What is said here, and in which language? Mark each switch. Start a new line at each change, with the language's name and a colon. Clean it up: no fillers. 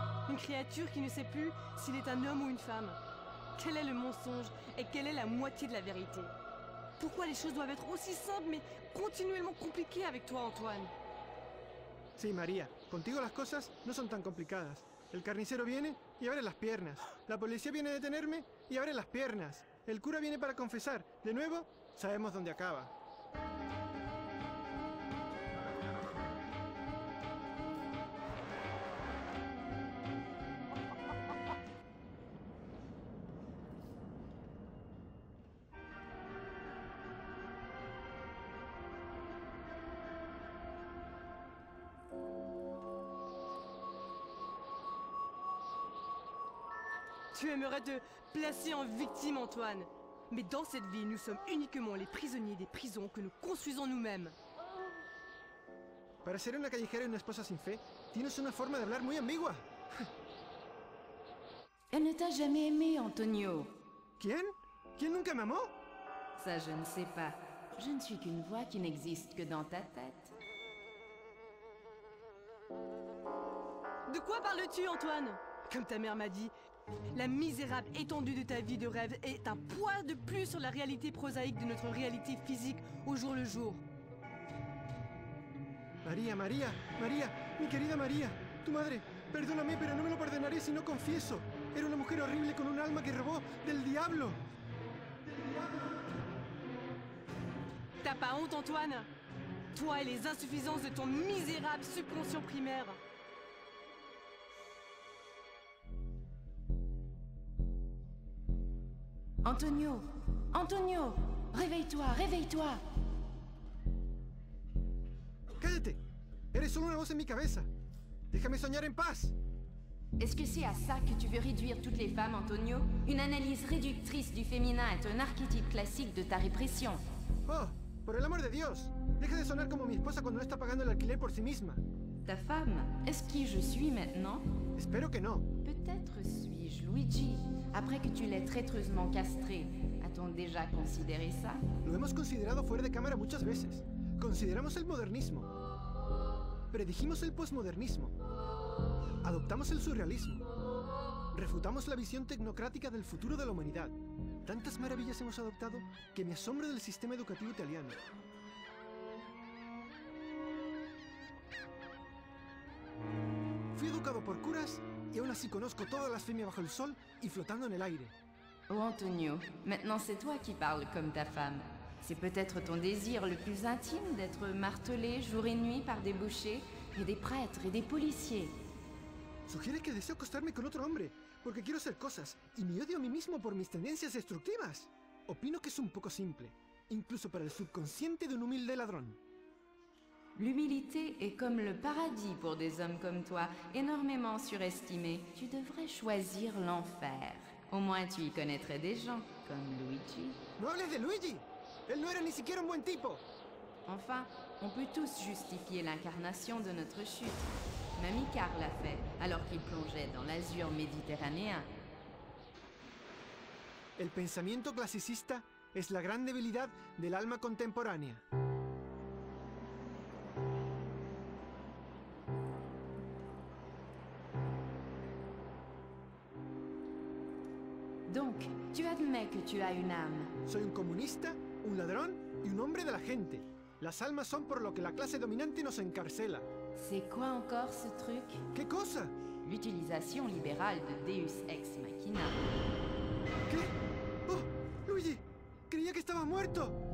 French: Une créature qui ne sait plus s'il est un homme ou une femme. Quel est le mensonge et quelle est la moitié de la vérité? Pourquoi les choses doivent être aussi simples mais continuellement compliquées avec toi, Antoine?
Spanish: Sí, María, contigo las cosas no son tan complicadas. El carnicero viene y abre las piernas. La policía viene a detenerme y abre las piernas. El cura viene para confesar. De nuevo, sabemos dónde acaba.
French: Tu aimerais te placer en victime, Antoine. Mais dans cette vie, nous sommes uniquement les prisonniers des prisons que nous construisons nous-mêmes.
Spanish: Para ser una callejera y una esposa sin fe, tienes una forma de hablar muy ambigua.
French: Elle ne t'a jamais aimé, Antonio.
Spanish: ¿Quién? ¿Quién nunca me amó?
French: Ça, je ne sais pas. Je ne suis qu'une voix qui n'existe que dans ta tête. De quoi parles-tu, Antoine? Comme ta mère m'a dit, la misérable étendue de ta vie de rêve est un poids de plus sur la réalité prosaïque de notre réalité physique au jour le jour.
Spanish: María, María, María, mi querida María, tu madre, perdóname, pero no me lo perdonaré si no confieso. Era una mujer horrible con un alma que robó del diablo. ¡Del diablo!
French: ¿T'as pas honte, Antoine? Toi et les insuffisances de ton misérable subconscient primaire. Antonio, Antonio, réveille-toi, réveille-toi.
Spanish: Cállate. Eres solo una voz en mi cabeza. Déjame soñar en paz.
French: Est-ce que c'est à ça que tu veux réduire toutes les femmes, Antonio? Une analyse réductrice du féminin est un archétype classique de ta répression.
Spanish: Oh, por el amor de Dios. Deja de sonar como mi esposa cuando no está pagando el alquiler por sí misma.
French: Ta femme, est-ce qui je suis maintenant?
Spanish: Espero que no.
French: Peut-être suis-je Luigi, après que tu l'aies traîtreusement castré. A-t-on déjà considéré ça?
Spanish: Lo hemos considerado fuera de cámara muchas veces. Consideramos el modernismo. Predijimos el posmodernismo. Adoptamos el surrealismo. Refutamos la visión tecnocrática del futuro de la humanidad. Tantas maravillas hemos adoptado que me asombro del sistema educativo italiano. Fui educado por curas y aún así conozco toda la blasfemia bajo el sol y flotando en el aire.
French: Oh, Antonio, maintenant c'est toi qui parles comme ta femme. C'est peut-être ton désir le plus intime d'être martelé jour et nuit par des bouchers et des prêtres et des policiers.
Spanish: Sugiere que deseo acostarme con otro hombre, porque quiero hacer cosas, y me odio a mí mismo por mis tendencias destructivas. Opino que es un poco simple, incluso para el subconsciente de un humilde ladrón.
French: L'humilité est comme le paradis pour des hommes comme toi, énormément surestimé. Tu devrais choisir l'enfer. Au moins tu y connaîtrais des gens, comme Luigi.
Spanish: No hables de Luigi! Él no era ni siquiera un buen tipo!
French: Enfin, on peut tous justifier l'incarnation de notre chute. Même Icar l'a fait, alors qu'il plongeait dans l'azur méditerranéen.
Spanish: El pensamiento clasicista es la gran debilidad del alma contemporánea.
French: Donc, tu admets que tu as une âme.
Spanish: Soy un comunista, un ladrón y un hombre de la gente. Las almas son por lo que la clase dominante nos encarcela.
French: C'est quoi encore ce truc?
Spanish: Que cosa?
French: L'utilisation libérale de Deus Ex Machina.
Spanish: Que? Oh, Luigi! Creía que estaba muerto!